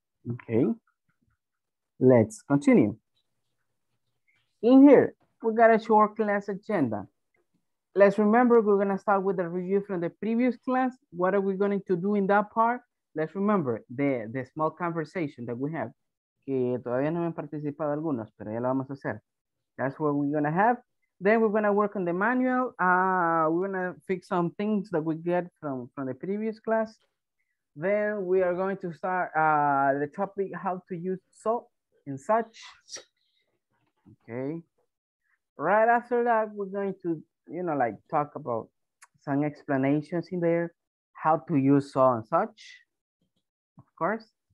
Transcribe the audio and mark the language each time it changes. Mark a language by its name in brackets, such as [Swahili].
[English] Okay, let's continue. In here, we got a short class agenda. Let's remember, we're gonna start with the review from the previous class. What are we going to do in that part? Let's remember the small conversation that we have. [Spanish] Que todavía no han participado algunos, pero ya lo vamos a hacer. [English] That's what we're gonna have. Then we're gonna work on the manual. We're gonna fix some things that we get from the previous class. Then we are going to start the topic, how to use so and such. Okay. Right after that, we're going to, you know, like talk about some explanations in there, how to use so and such, of course.